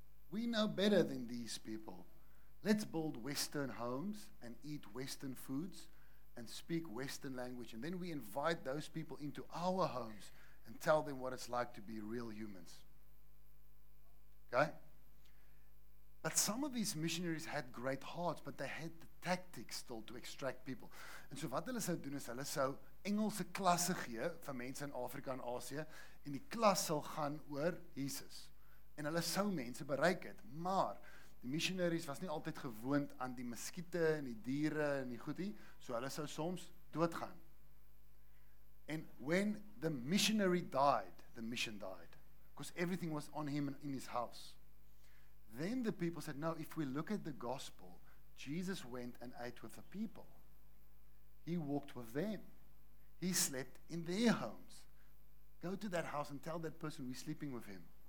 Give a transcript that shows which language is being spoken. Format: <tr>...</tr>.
<en>We know better than these people. Let's build Western homes and eat Western foods and speak Western language. And then we invite those people into our homes and tell them what it's like to be real humans. Okay? But some of these missionaries had great hearts, but they had the tactics still to extract people. And so</en> <af>wat hulle sou doen is hulle sou Engelse klasse gee vir mense in Afrika en Asië en die klas sou gaan oor Jesus. En hulle sou mense bereik het, maar die missionaries was nie altyd gewoond aan die muskiete en die diere en die goedie, so hulle sou soms doodgaan.</af> <en>And when the missionary died, the mission died, because everything was on him and in his house. Then the people said, no, if we look at the gospel, Jesus went and ate with the people. He walked with them. He slept in their homes. Go to that house and tell that person we're sleeping with him.</en>